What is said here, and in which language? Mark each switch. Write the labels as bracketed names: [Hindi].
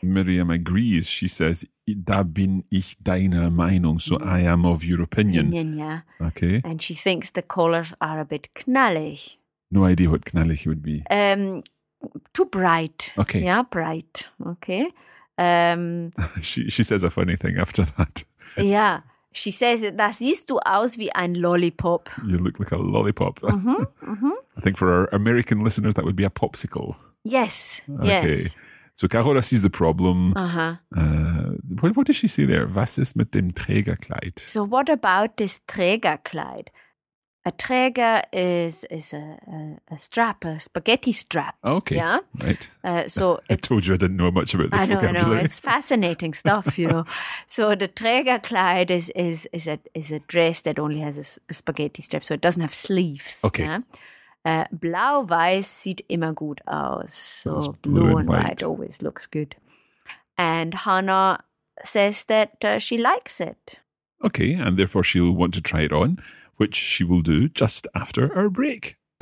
[German] Miriam agrees. She says, da bin ich deiner Meinung. [English] So I am of your opinion. Yeah. Okay. And she thinks the colours are a bit knallig. No idea what knallig would be. Too bright. Okay. Yeah, bright. Okay. she says a funny thing after that. Yeah. [German] She says, da siehst du aus wie ein Lollipop. [English] You look like a lollipop. Mm-hmm. I think for our American listeners, that would be a popsicle. Yes. Okay. Yes. So Carola sees the problem. Uh-huh. What does she say there? [German] Was ist mit dem Trägerkleid? [English] So what about this Trägerkleid? A Träger is a strap, a spaghetti strap. Okay, yeah? Right. So I told you I didn't know much about this vocabulary. I know. It's fascinating stuff, you know. So the Trägerkleid is a dress that only has a spaghetti strap, so it doesn't have sleeves. Okay. Yeah? [German] Blau-weiß sieht immer gut aus. [English] So blue and white always looks good. And Hannah says that she likes it. Okay, and therefore she'll want to try it on. Which she will do just after our break.